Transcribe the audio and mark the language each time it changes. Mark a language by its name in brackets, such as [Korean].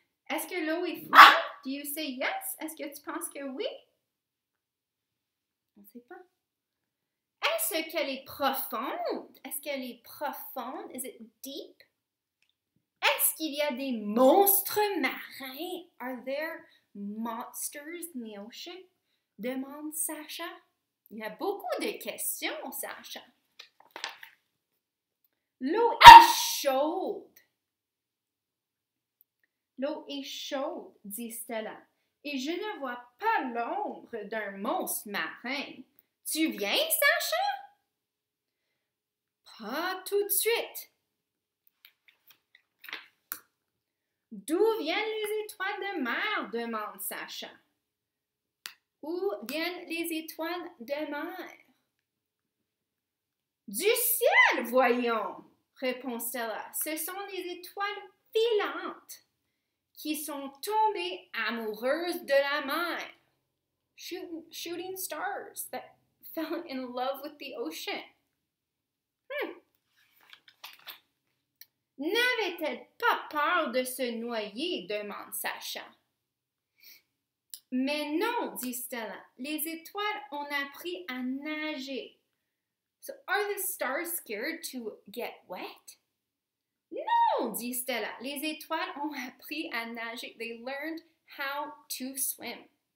[French] Est-ce que l'eau est froide? [English] Do you say yes? [French] Est-ce que tu penses que oui? On ne sait pas. Est-ce qu'elle est profonde? Est-ce qu'elle est profonde? [English] Is it deep? [French] Est-ce qu'il y a des monstres marins? [English] Are there monsters in the ocean? [French] Demande Sacha. Il y a beaucoup de questions, Sacha. L'eau est chaude. L'eau est chaude, dit Stella. Et je ne vois pas l'ombre d'un monstre marin. Tu viens, Sacha? Pas tout de suite. D'où viennent les étoiles de mer? Demande Sacha. Où viennent les étoiles de mer? Du ciel, voyons, répond Stella. Ce sont les étoiles filantes qui sont tombées amoureuses de la mer. [English] Shooting stars that fell in love with the ocean. [French] N'avait-elle pas peur de se noyer? Demande Sacha. Mais non, dit Stella. Les étoiles ont appris à nager. [English] So, are the stars scared to get wet? [French] Non, dit Stella. Les étoiles ont appris à nager. [English] They learned how to swim.